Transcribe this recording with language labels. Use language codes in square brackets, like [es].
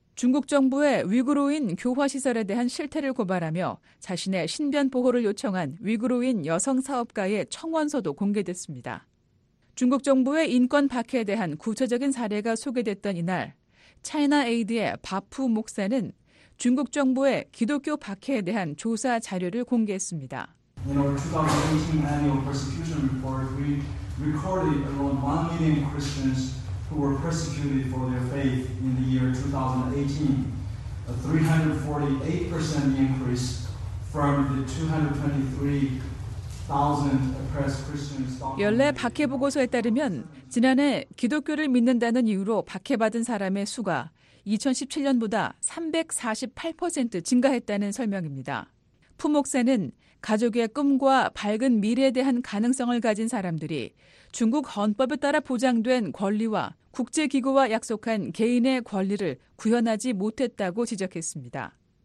[ko] 중국 정부의 위구르인 교화시설에 대한 실태를 고발하며 자신의 신변 보호를 요청한 위구르인 여성 사업가의 청원서도 공개됐습니다. 중국 정부의 인권 박해에 대한 구체적인 사례가 소개됐던 이날, 차이나에이드의 바푸 목사는 중국 정부의 기독교 박해에 대한 조사 자료를 공개했습니다. [en] In our 2018 annual persecution report, we recorded around 1 million Christians who were persecuted for their faith in the year 2018, a 348% increase from the 223,000 oppressed Christians. [ko] 연례 박해 보고서에 따르면 지난해 기독교를 믿는다는 이유로 박해받은 사람의 수가 2017년보다 348% 증가했다는 설명입니다. 푸 목사는 가족의 꿈과 밝은 미래에 대한 가능성을 가진 사람들이 중국 헌법에 따라 보장된 권리와 국제기구와 약속한 개인의 권리를 구현하지 못했다고 지적했습니다.